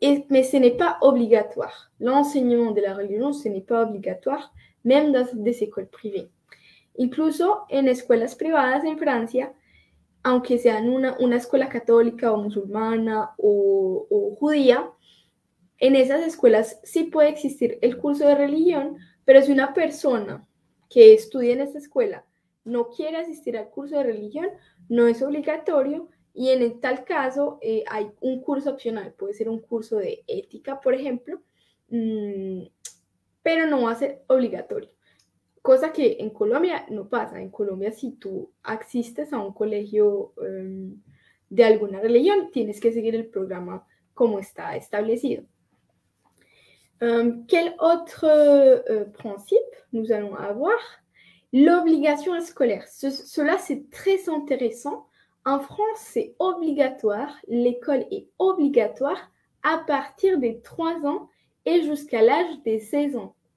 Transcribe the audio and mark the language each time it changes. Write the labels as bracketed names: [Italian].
[French] Mais ce n'est pas obligatoire. L'enseignement de la religion, ce n'est pas obligatoire, même dans des écoles privées. [Spanish] Incluso en escuelas privadas en Francia, aunque sean una escuela católica o musulmana o judía, en esas escuelas sí puede existir el curso de religión, pero si una persona que estudia en esa escuela no quiere asistir al curso de religión, no es obligatorio. Y en tal caso, hay un curso opcional, puede ser un curso de ética, por ejemplo, pero no va a ser obligatorio. Cosa que en Colombia no pasa. En Colombia, si tú asistes a un colegio, de alguna religión, tienes que seguir el programa como está establecido. [French] Quel autre principe nous allons avoir? L'obligation scolaire. Cela, c'est très intéressant. En France, c'est obligatoire, l'école est obligatoire à partir des 3 ans et jusqu'à l'âge des 16 ans.